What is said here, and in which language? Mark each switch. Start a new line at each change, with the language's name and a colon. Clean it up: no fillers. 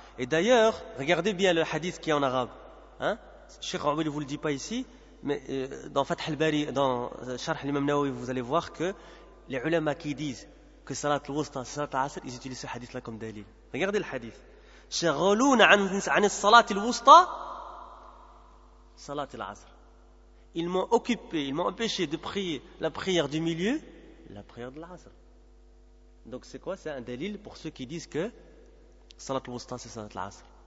French: Et d'ailleurs, regardez bien le hadith qui est en arabe. Cheikh Rawi ne vous le dit pas ici, mais dans Fath al-Bari, dans Sharh al-Imam Nawawi, vous allez voir que les ulama qui disent que Salat al-Wusta, Salat al-Asr, ils utilisent ce hadith-là comme dalil. Regardez le hadith.
Arabic: شغلون عن الصلاة الوسطى صلاة العصر.
French: Ils m'ont occupé, ils m'ont empêché de prier la prière du milieu, la prière de l'asr. Donc c'est quoi? C'est un dalil pour ceux qui disent que صلاة الوسطى c'est صلاة العصر.